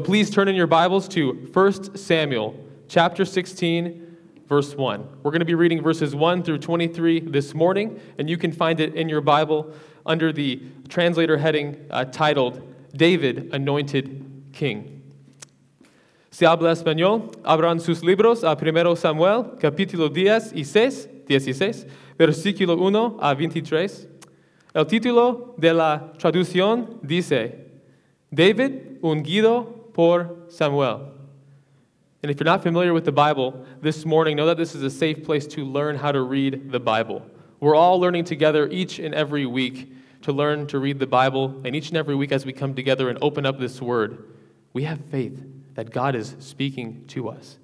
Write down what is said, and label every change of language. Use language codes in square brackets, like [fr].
[en] please turn in your Bibles to 1 Samuel chapter 16, verse 1. We're going to be reading verses 1 through 23 this morning, and you can find it in your Bible under the translator heading titled, David, Anointed King. [es] Si habla español, abran sus libros a 1 Samuel, capítulo 16, versículo 1 a 23. El título de la traducción dice, David, ungido por Samuel. [en] And if you're not familiar with the Bible this morning, know that this is a safe place to learn how to read the Bible. We're all learning together each and every week to learn to read the Bible, and each and every week as we come together and open up this word, we have faith that God is speaking to us.